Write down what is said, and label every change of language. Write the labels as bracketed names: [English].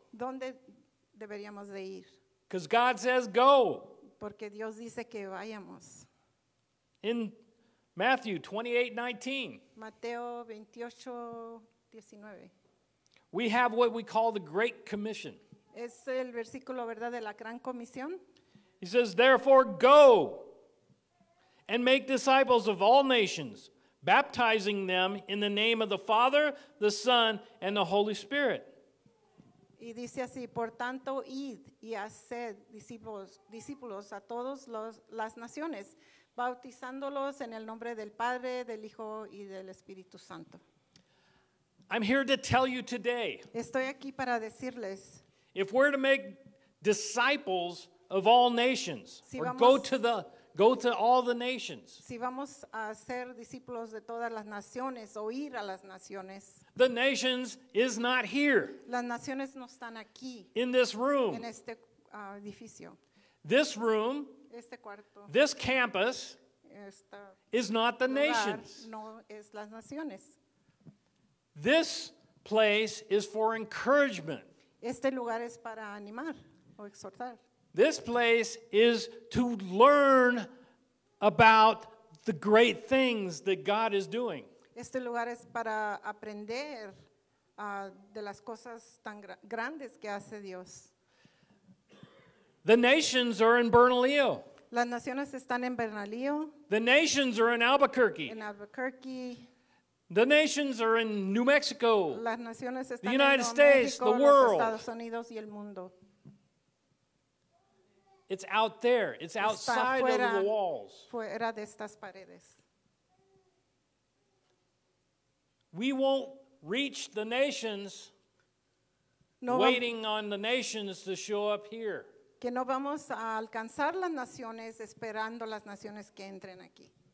[Spanish] ¿Dónde deberíamos de ir? [English] Because God says go. [Spanish] Porque Dios dice que vayamos. [English] In Matthew 28, 19. [Spanish] Mateo 28, 19. [English] We have what we call the Great Commission. [Spanish] Es el versículo, ¿verdad?, de la Gran Comisión. [English] He says, therefore, go and make disciples of all nations, baptizing them in the name of the Father, the Son, and the Holy Spirit. [Spanish] Y dice así, por tanto, id y haced discípulos a todos las naciones, bautizándolos en el nombre del Padre, del Hijo y del Espíritu Santo. [English] I'm here to tell you today. [Spanish] Estoy aquí para decirles. [English] If we're to make disciples of all nations, [Spanish] si vamos, [English] or go to all the nations. [Spanish] Si vamos a ser discípulos de todas las naciones o ir a las naciones. [English] The nations is not here. [Spanish] Las naciones no están aquí. [English] In this room. [Spanish] En este edificio. [English] This room. [Spanish] Este cuarto, [English] this campus is not the nations. [Spanish] No es las naciones. [English] This place is for encouragement. [Spanish] Este lugar es para animar o exhortar. [English] This place is to learn about the great things that God is doing. [Spanish] Este lugar es para aprender de las cosas tan grandes que hace Dios. [English] The nations are in Bernalillo. [Spanish] Las naciones están en Bernalillo. [English] The nations are in Albuquerque. [Spanish] En Albuquerque. [English] The nations are in New Mexico. [Spanish] Las naciones están [English] the United States, [Spanish] México, [English] the world. [Spanish] Los Estados Unidos y el mundo. [English] It's out there. It's [Spanish] está [English] outside [Spanish] fuera, [English] of the walls. [Spanish] Fuera de estas paredes. [English] We won't reach the nations [Spanish] no [English] waiting on the nations to show up here. [Spanish] Que no vamos a alcanzar las naciones esperando las naciones que entren aquí.